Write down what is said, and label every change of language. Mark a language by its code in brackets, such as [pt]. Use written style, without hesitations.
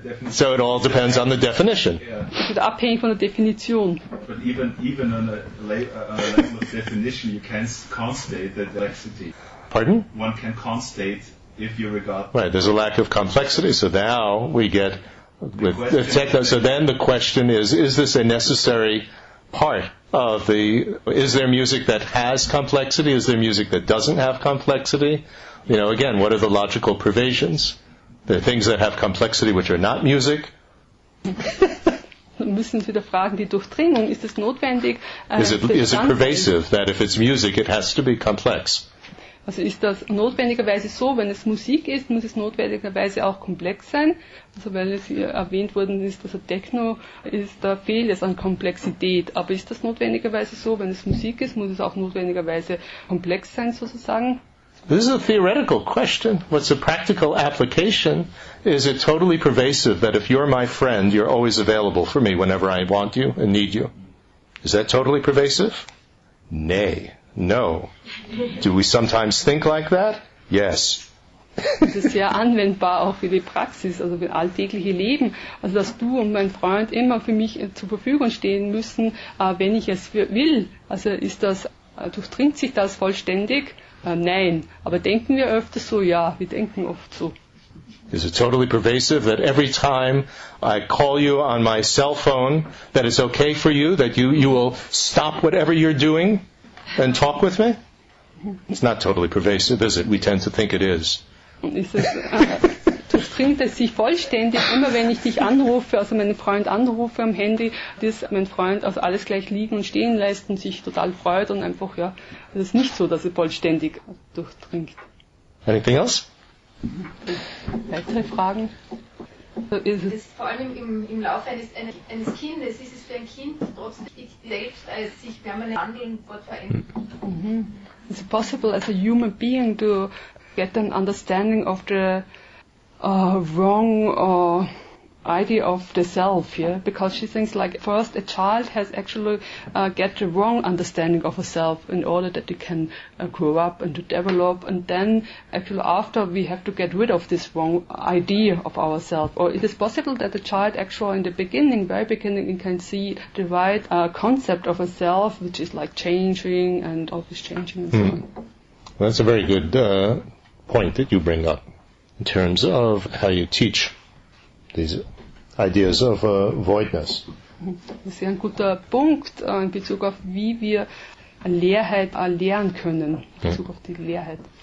[en] So it all depends on the definition. [de] Also abhängig von der Definition. [en] But even on a level of definition, you can't constate the complexity. Pardon? One can constate if you regard... Right, there's a lack of complexity, so now we get... With the techno, so then the question is this a necessary part of the, is there music that has complexity? Is there music that doesn't have complexity? You know, again, what are the logical pervasions? There are things that have complexity which are not music. [de] Dann müssen Sie wieder fragen, die Durchdringung, ist es notwendig? [en] Is it pervasive, that if it's music, it has to be complex? [de] Also ist das notwendigerweise so, wenn es Musik ist, muss es notwendigerweise auch komplex sein? Also weil es hier erwähnt worden ist, dass Techno ist, da fehlt es an Komplexität. Aber ist das notwendigerweise so, wenn es Musik ist, muss es auch notwendigerweise komplex sein sozusagen? [en] This is a theoretical question. What's a practical application? Is it totally pervasive that if you're my friend, you're always available for me whenever I want you and need you? Is that totally pervasive? Nay. No. Do we sometimes think like that? Yes. [de] Das ist sehr anwendbar auch für die Praxis, also für alltägliche Leben. Also dass du und mein Freund immer für mich zur Verfügung stehen müssen, wenn ich es will. Also ist das, durchdringt sich das vollständig? Nein. Aber denken wir öfter so? Ja, wir denken oft so. [en] Is it totally pervasive that every time I call you on my cell phone, that it's okay for you, that you will stop whatever you're doing? And talk with me? It's not totally pervasive, is it? We tend to think it is. [de] Durchdringt es sich vollständig, immer wenn ich dich anrufe, also meinen Freund anrufe am Handy, dass mein Freund also alles gleich liegen und stehen lässt und sich total freut und einfach, ja, es ist nicht so, dass es vollständig durchdringt. [en] Anything else? [de] Weitere Fragen? Ist vor allem im Laufe eines Kindes ist es für ein Kind trotzdem selbst als sich permanent handelnd dort verändert. [en] Mm-hmm. Is it possible as a human being to get an understanding of the wrong idea of the self? Yeah, because she thinks like first a child has actually get the wrong understanding of a self in order that they can grow up and to develop, and then actually after we have to get rid of this wrong idea of ourselves. Or it is possible that the child actually in the beginning, very beginning, can see the right concept of a self, which is like changing and always changing and so on. Well, that's a very good point that you bring up in terms of how you teach these ideas of voidness. [de] Das ist ein guter Punkt in Bezug auf wie wir Leerheit erlernen können, in Bezug auf die Leerheit.